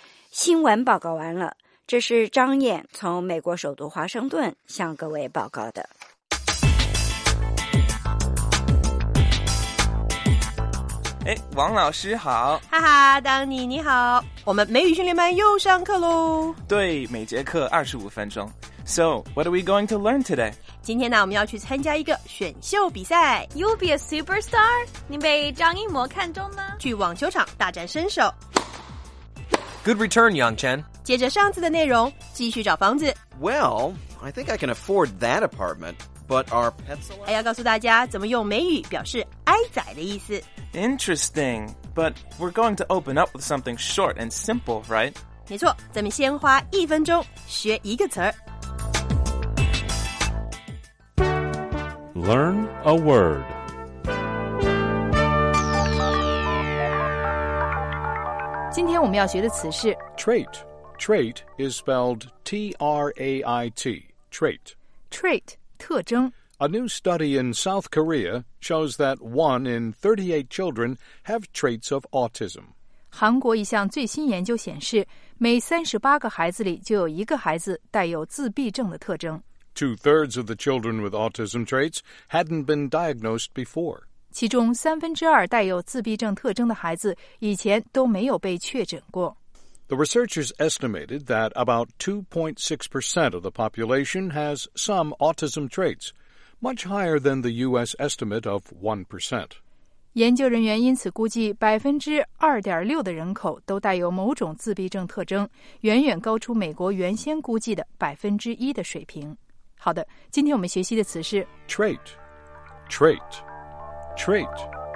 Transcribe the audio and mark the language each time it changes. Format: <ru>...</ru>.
<zh>新闻报告完了，这是张燕从美国首都华盛顿向各位报告的。哎，王老师好。哈哈，当妮你好，我们美语训练班又上课咯。对，每节课25分钟。</zh> <en>So, what are we going to learn today?</en> <zh>今天呢，我们要去参加一个选秀比赛。</zh> <en>You'll be a superstar?</en> <zh>你被张艺谋看中吗？去网球场大展身手。</zh> <en>Good return, Yang Chen.</en> <zh>接着上次的内容，继续找房子。</zh> <en>Well, I think I can afford that apartment. But our pets</en> <zh>还要告诉大家怎么用美语表示哀仔的意思。</zh> <en>Interesting, but we're going to open up with something short and simple, right?</en> <zh>没错，咱们先花一分钟学一个词儿。</zh> <en>Learn a word. Today we're going to learn the word trait. Trait is spelled T-R-A-I-T. Trait. Trait.</en> <zh>特征。</zh> <en>A new study in South Korea shows that 1 in 38 children have traits of autism.</en> <zh>韩国一项最新研究显示，每38个孩子里就有一个孩子带有自闭症的特征。</zh> <en>2/3 of the children with autism traits hadn't been diagnosed before.</en> <zh>其中2/3带有自闭症特征的孩子以前都没有被确诊过。</zh> <en>The researchers estimated that about 2.6% of the population has some autism traits, much higher than the U.S. estimate of 1%.</en> <zh>研究人员因此估计 2.6% 的人口都带有某种自闭症特征，远远高出美国原先估计的 1% 的水平。好的，今天我们学习的词是</zh> <en>trait, trait, trait。</en>